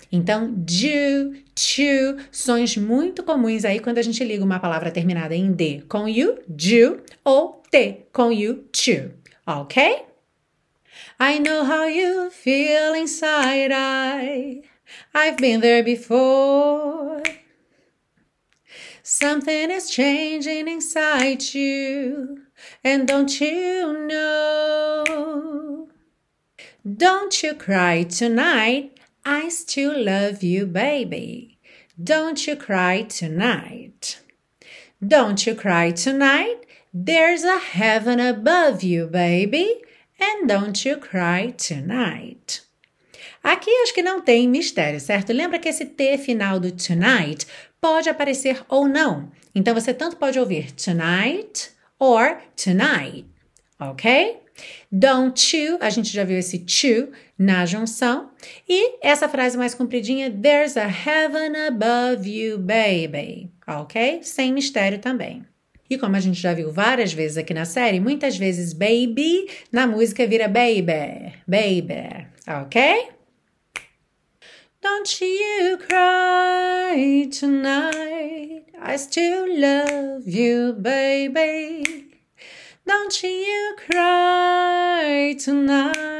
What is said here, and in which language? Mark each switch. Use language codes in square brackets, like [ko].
[pt] Então, do, to, sons muito comuns aí quando a gente liga uma palavra terminada em D com you, do, ou T com you, to, ok? [en] I know how you feel inside, I've been there before. Something is changing inside you, and don't you know? Don't you cry tonight, I still love you, baby. Don't you cry tonight. Don't you cry tonight, there's a heaven above you, baby. And don't you cry tonight. [pt] Aqui acho que não tem mistério, certo? Lembra que esse T final do tonight pode aparecer ou não. Então você tanto pode ouvir tonight or tonight, ok? Don't you, a gente já viu esse to na junção. E essa frase mais compridinha, [en] there's a heaven above you, baby, [pt] ok? Sem mistério também. E como a gente já viu várias vezes aqui na série, muitas vezes baby na música vira baby, baby, ok? [en] Don't you cry tonight, I still love you, baby. Don't you cry tonight.